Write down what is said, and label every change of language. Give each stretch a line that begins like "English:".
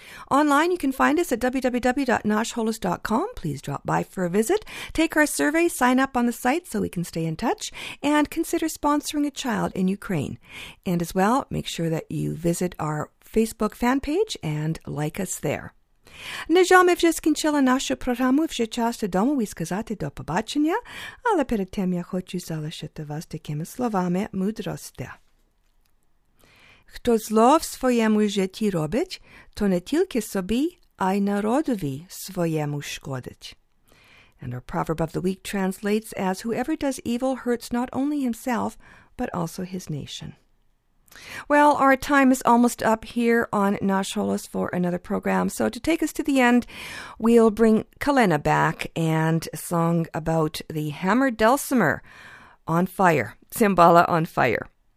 English: Online, you can find us at www.noshholos.com. Please drop by for a visit. Take our survey, sign up on the site so we can stay in touch, and consider sponsoring a child in Ukraine. And as well, make sure that you visit our Facebook fan page and like us there.
Ukrainian: Не жаль, ми вже скінчили нашу програму, вже час додому і сказати до побачення, але перед тим я хочу залишити вас такими словами мудрості. хто зло в своєму житті робить, то не тільки собі, а й народові своєму шкодить.
English: And our proverb of the week translates as, whoever does evil hurts not only himself, but also his nation. Well, our time is almost up here on Nash Holos for another program. So to take us to the end, we'll bring Kalena back and a song about the hammer dulcimer on fire, Tzimbala on fire.